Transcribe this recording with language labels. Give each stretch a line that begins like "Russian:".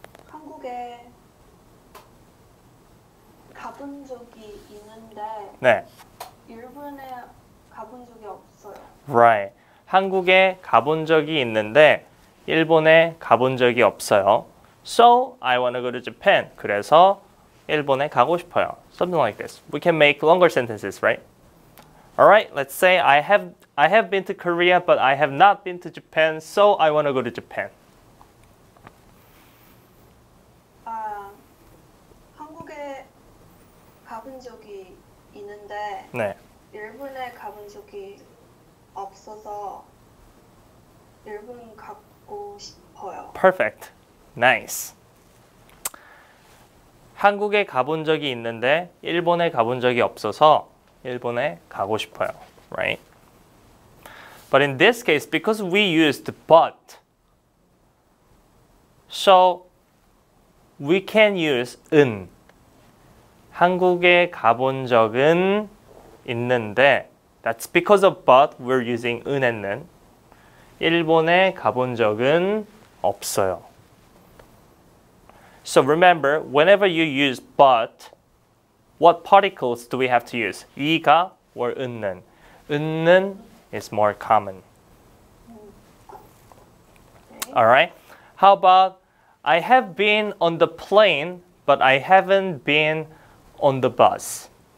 Korean: 한국에 가본 적이 있는데, 네. 일본에 가본 적이 없어요.
English: Right.
Korean: 한국에 가본 적이 있는데, 일본에 가본 적이 없어요.
English: So, I want to go to Japan.
Korean: 그래서 일본에 가고 싶어요.
English: Something like this. We can make longer sentences, right? Alright, let's say I have been to Korea, but I have not been to Japan, so I want to go to Japan.
Korean: 한국에 가본 적이 있는데, 네. 일본에 가본 적이 없어서 일본 가고 싶어요.
English: Perfect. Nice.
Korean: 한국에 가본 적이 있는데 일본에 가본 적이 없어서 일본에 가고 싶어요.
English: Right? But in this case, because we used but, so we can use 은.
Korean: 한국에 가본 적은 있는데
English: that's because of but, we're using 은 and 는.
Korean: 일본에 가본 적은 없어요.
English: So remember, whenever you use but, what particles do we have to use? 이가 or 은는? 은는 is more common. Alright, how about I have been on the plane, but I haven't been on the bus.